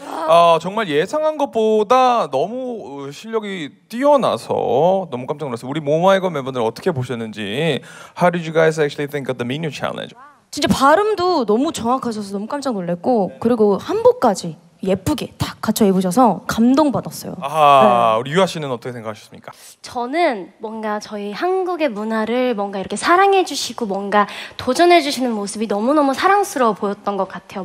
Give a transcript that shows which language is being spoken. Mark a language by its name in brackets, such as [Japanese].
[Korean] 아, 정말 예상한 것보다 너무 실력이 뛰어나서 너무 깜짝 놀랐어요. 우리 모마이걸 멤버들 어떻게 보셨는지. [English] How did you guys actually think of the Minyo challenge? [Korean] 진짜 발음도 너무 정확하셔서 너무 깜짝 놀랐고 그리고 한복까지 예쁘게 딱 갖춰 입으셔서 감동받았어요. 아, 네. 우리 유아 씨는 어떻게 생각하셨습니까? 저는 뭔가 저희 한국의 문화를 뭔가 이렇게 사랑해 주시고 뭔가 도전해 주시는 모습이 너무너무 사랑스러워 보였던 것 같아요.